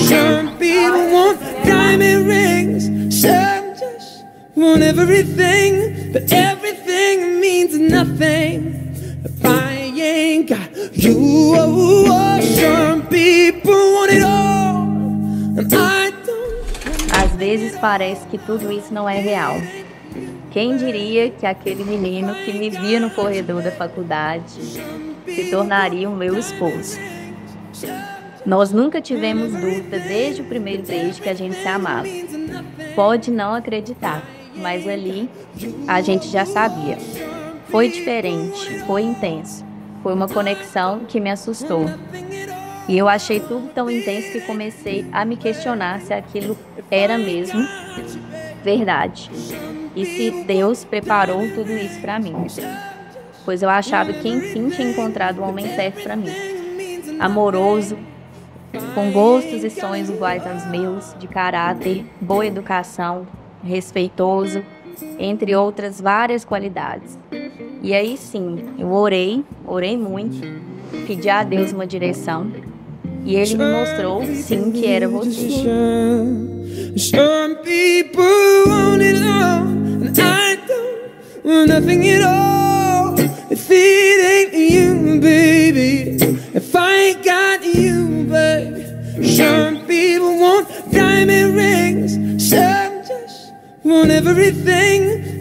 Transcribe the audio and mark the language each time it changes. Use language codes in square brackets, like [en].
[en] Some people want diamond rings, some just want everything, but everything means nothing if I ain't got you. Oh, oh. Some people want it all, and I. [pt] Às vezes parece que tudo isso não é real. Quem diria que aquele menino que me via no corredor da faculdade se tornaria o meu esposo? Nós nunca tivemos dúvida desde o primeiro beijo que a gente se amava. Pode não acreditar, mas ali a gente já sabia. Foi diferente, foi intenso. Foi uma conexão que me assustou. E eu achei tudo tão intenso que comecei a me questionar se aquilo era mesmo verdade. E se Deus preparou tudo isso pra mim. Pois eu achava que enfim tinha encontrado o homem certo pra mim. Amoroso, com gostos e sonhos iguais aos meus, de caráter, boa educação, respeitoso, entre outras várias qualidades. E aí sim, eu orei muito, pedi a Deus uma direção. E ele me mostrou, sim, que era você. [en] Some people want it all, and I don't want nothing at all. If it ain't you, baby, if I ain't got you, baby. Some people want diamond rings, some just want everything.